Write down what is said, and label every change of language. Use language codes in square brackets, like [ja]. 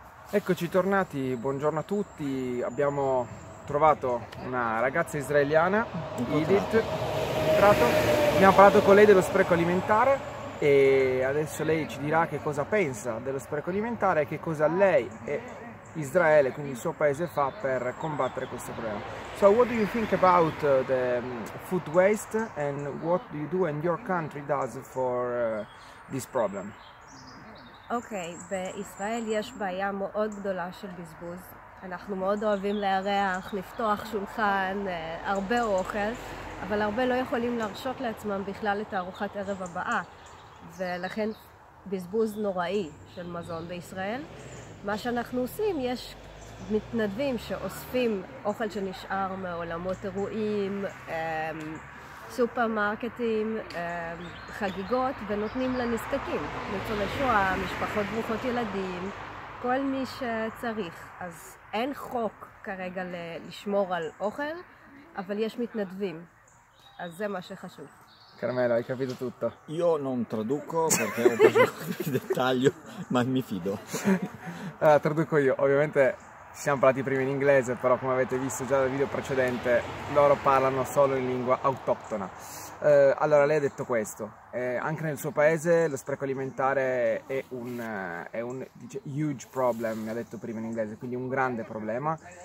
[it] Eccoci tornati. Buongiorno a tutti. Abbiamo trovato una ragazza israeliana, Edith. Abbiamo parlato con lei dello spreco alimentare e adesso lei ci dirà che cosa pensa dello spreco alimentare e che cosa lei è Israele, quindi il suo paese, fa per combattere questo problema. [en] So what do you think about the food waste, and what do you do and your country does for this problem? Okay, [he] בישראל יש בעיה מאוד גדולה של בזבוז. אנחנו מאוד אוהבים לארח, לפתוח שולחן, הרבה אוכל, אבל הרבה לא יכולים להרשות לעצמם בכלל את הארוחת ערב הבאה, ולכן בזבוז נוראי של מזון בישראל. מה שאנחנו עושים, יש מתנדבים שאוספים אוכל שנשאר מעולמות אירועים, סופרמרקטים, חגיגות, ונותנים לנזקקים, ניצולי שואה, משפחות ברוכות ילדים, כל מי שצריך. אז אין חוק כרגע לשמור על אוכל, אבל יש מתנדבים, אז זה מה שחשוב. [it] Carmelo, hai capito tutto? Io non traduco perché ho preso il dettaglio, ma mi fido. Allora, traduco io. Ovviamente siamo parlati prima in inglese, però come avete visto già dal video precedente, loro parlano solo in lingua autoctona. Allora, lei ha detto questo. Anche nel suo paese lo spreco alimentare è un dice, [en] huge problem, [it] mi ha detto prima in inglese, quindi un grande problema.